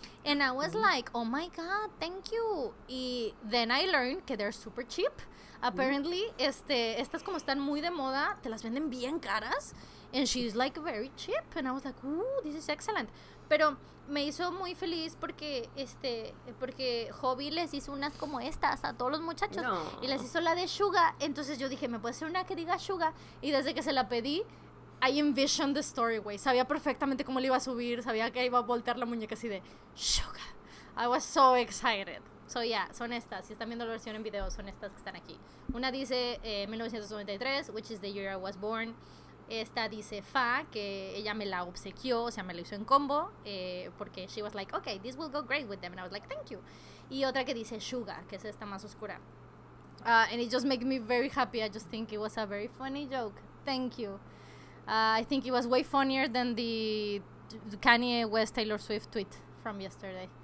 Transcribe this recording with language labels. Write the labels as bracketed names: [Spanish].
[English] And I was like, oh my God, thank you. Y then I learned que they're super cheap. [Spanish] apparently, estas como están muy de moda, te las venden bien caras. [English] And she's like very cheap. And I was like, ooh, this is excellent. [Spanish] Pero me hizo muy feliz porque, porque Hobby les hizo unas como estas a todos los muchachos. No. Y les hizo la de Suga. Entonces yo dije, ¿me puede hacer una que diga Suga? Y desde que se la pedí, [English] I envisioned the story, [Spanish] güey. Sabía perfectamente cómo le iba a subir. Sabía que iba a voltear la muñeca así de Suga. [English] I was so excited. So yeah, [Spanish] son estas. Si están viendo la versión en video, son estas que están aquí. Una dice 1993, [English] which is the year I was born. [Spanish] Esta dice Fa, que ella me la obsequió, o sea, me la hizo en combo, porque [English] she was like, okay, this will go great with them. And I was like, thank you. [Spanish] Y otra que dice Suga, que es esta más oscura. [English] And it just made me very happy. I just think it was a very funny joke. Thank you. I think it was way funnier than the Kanye West Taylor Swift tweet from yesterday.